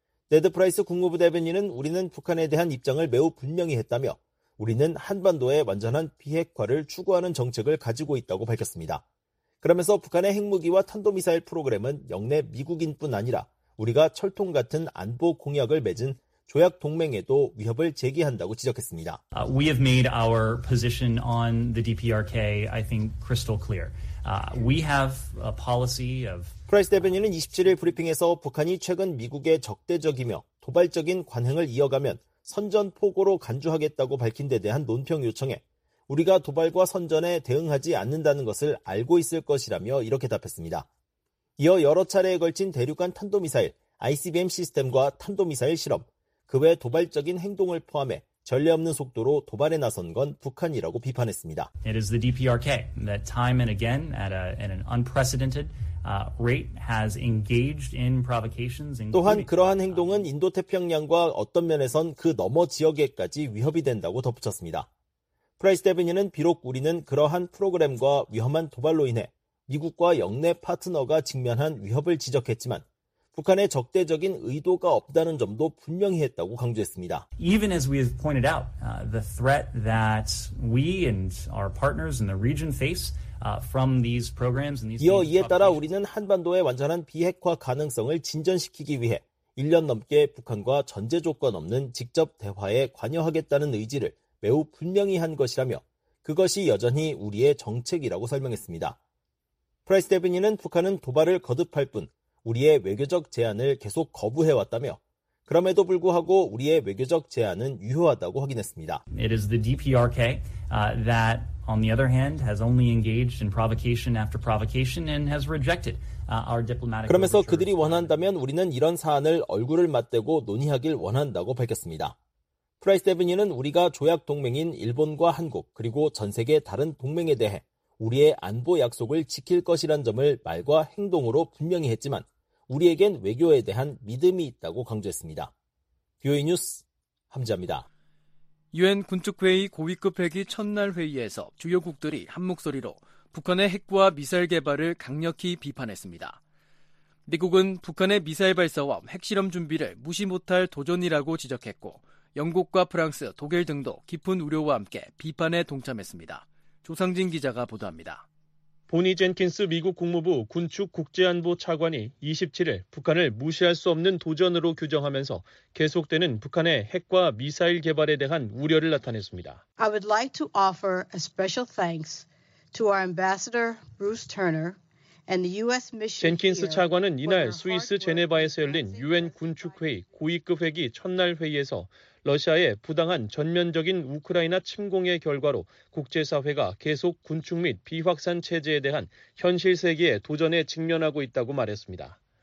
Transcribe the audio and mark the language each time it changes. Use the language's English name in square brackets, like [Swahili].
[Korean] 네드 프라이스 국무부 대변인은 우리는 북한에 대한 입장을 매우 분명히 했다며 우리는 한반도의 완전한 비핵화를 추구하는 정책을 가지고 있다고 밝혔습니다. 그러면서 북한의 핵무기와 탄도미사일 프로그램은 영내 미국인뿐 아니라 우리가 철통 같은 안보 공약을 맺은 조약 동맹에도 위협을 제기한다고 지적했습니다. [English] We have made our position on the DPRK, I think, crystal clear. We have a policy of. [Korean] 프라이스 대변인은 27일 브리핑에서 북한이 최근 미국에 적대적이며 도발적인 관행을 이어가면 선전포고로 간주하겠다고 밝힌 데 대한 논평 요청에 우리가 도발과 선전에 대응하지 않는다는 것을 알고 있을 것이라며 이렇게 답했습니다. 이어 여러 차례에 걸친 대륙간 탄도미사일, ICBM 시스템과 탄도미사일 실험, 그 외 도발적인 행동을 포함해 전례 없는 속도로 도발에 나선 건 북한이라고 비판했습니다. [English] It is the DPRK that time and again at an unprecedented rate has engaged in provocations. [Korean] 또한 그러한 행동은 인도태평양과 어떤 면에선 그 너머 지역에까지 위협이 된다고 덧붙였습니다. 프라이스 대변인은 비록 우리는 그러한 프로그램과 위험한 도발로 인해 미국과 영내 파트너가 직면한 위협을 지적했지만 북한의 적대적인 의도가 없다는 점도 분명히 했다고 강조했습니다. [English] Even as we have pointed out, the threat that we and our partners in the region face from these programs and these [Korean] 이어 이에 따라 우리는 한반도의 완전한 비핵화 가능성을 진전시키기 위해 1년 넘게 북한과 전제 조건 없는 직접 대화에 관여하겠다는 의지를 매우 분명히 한 것이라며 그것이 여전히 우리의 정책이라고 설명했습니다. 프라이스 대변인은 북한은 도발을 거듭할 뿐 우리의 외교적 제안을 계속 거부해왔다며 그럼에도 불구하고 우리의 외교적 제안은 유효하다고 확인했습니다. [English] It is the DPRK that on the other hand has only engaged in provocation after provocation and has rejected our diplomatic [Korean] 그러면서 그들이 원한다면 우리는 이런 사안을 얼굴을 맞대고 논의하길 원한다고 밝혔습니다. 프라이스 대변인은 우리가 조약 동맹인 일본과 한국 그리고 전 세계 다른 동맹에 대해 우리의 안보 약속을 지킬 것이란 점을 말과 행동으로 분명히 했지만 우리에겐 외교에 대한 믿음이 있다고 강조했습니다. 뷰이 뉴스 함지아입니다. 유엔 군축회의 고위급 회기 첫날 회의에서 주요국들이 한 목소리로 북한의 핵과 미사일 개발을 강력히 비판했습니다. 미국은 북한의 미사일 발사와 핵실험 준비를 무시 못할 도전이라고 지적했고 영국과 프랑스, 독일 등도 깊은 우려와 함께 비판에 동참했습니다. 조상진 기자가 보도합니다. 보니 젠킨스 미국 국무부 군축 국제안보 차관이 27일 북한을 무시할 수 없는 도전으로 규정하면서 계속되는 북한의 핵과 미사일 개발에 대한 우려를 나타냈습니다. [English] I would like to offer a special thanks to our ambassador Bruce Turner. [Korean] 젠킨스 차관은 이날 스위스 제네바에서 열린 유엔 군축회의 고위급 회기 첫날 회의에서 러시아의 부당한 전면적인 우크라이나 침공의 결과로 국제사회가 계속 군축 및 비확산 체제에 대한 현실 세계의 도전에 직면하고 있다고 말했습니다.